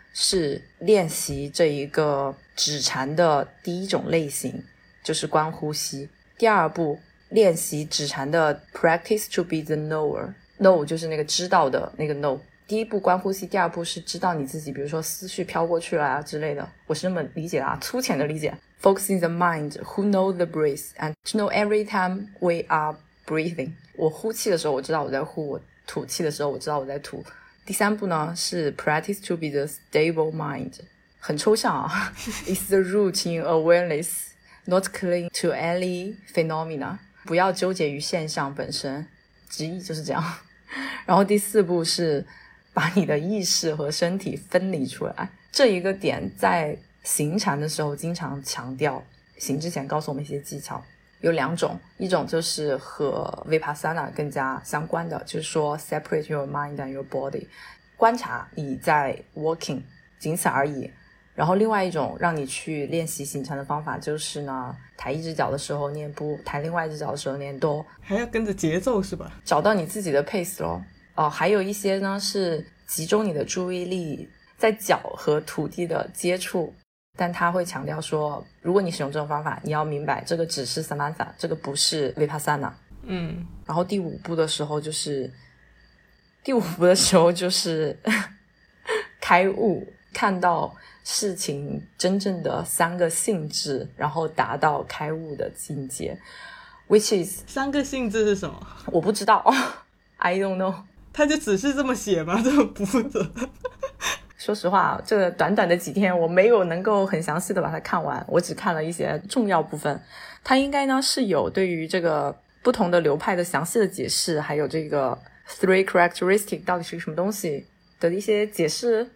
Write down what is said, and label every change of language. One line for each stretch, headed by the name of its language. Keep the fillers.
Chinese: 是练习这一个指禅的第一种类型，就是观呼吸。第二步练习指禅的 practice to be the knower，know、er、know 就是那个知道的那个 know。第一步观呼吸，第二步是知道你自己，比如说思绪飘过去了啊之类的。我是这么理解的啊，粗浅的理解。
English: Focusing the mind who know the breath and to know every time we are breathing。
Chinese: 我呼气的时候我知道我在呼，我吐气的时候我知道我在吐。第三步呢是 practice to be the stable mind，很抽象啊， is the root in awareness, not cling to any phenomena，不要纠结于现象本身，直译就是这样。然后第四步是把你的意识和身体分离出来，这一个点在行禅的时候经常强调，行之前告诉我们一些技巧。有两种，一种就是和 vipassana 更加相关的，就是说 separate your mind and your body，观察你在 walking，仅此而已。然后另外一种让你去练习行禅的方法就是呢，抬一只脚的时候念不，抬另外一只脚的时候念多，还要跟着节奏是吧？找到你自己的 pace 咯。哦，还有一些呢是集中你的注意力在脚和土地的接触。但他会强调说，如果你使用这种方法，你要明白这个只是 s a m a n h a 这个不是 vipassana。嗯，然后第五步的时候就是第五步的时候就是开悟，看到事情真正的三个性质，然后达到开悟的境界。 Which is 三个性质是什么？我不知道、 oh,，I don't know。他就只是这么写吗？这么不负责？说实话，这短短的几天我没有能够很详细的把它看完，我只看了一些重要部分。它应该呢是有对于这个不同的流派的详细的解释，还有这个 three characteristic 到底是个什么东西的一些解释。